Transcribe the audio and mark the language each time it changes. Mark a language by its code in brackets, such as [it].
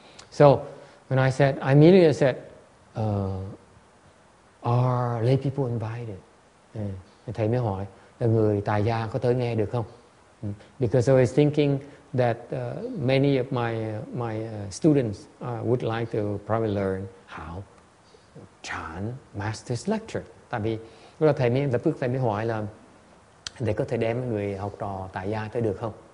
[en] So when I said, I immediately said, are lay people invited? [vi] Thầy mới hỏi là người tài gia có tới nghe được không? [en] Because I was thinking that many of my students would like to probably learn how chan master's lecture. [vi] Tại vì lúc đó thầy mới lập tức thầy mới hỏi là để có thể đem người học trò tại gia tới được không?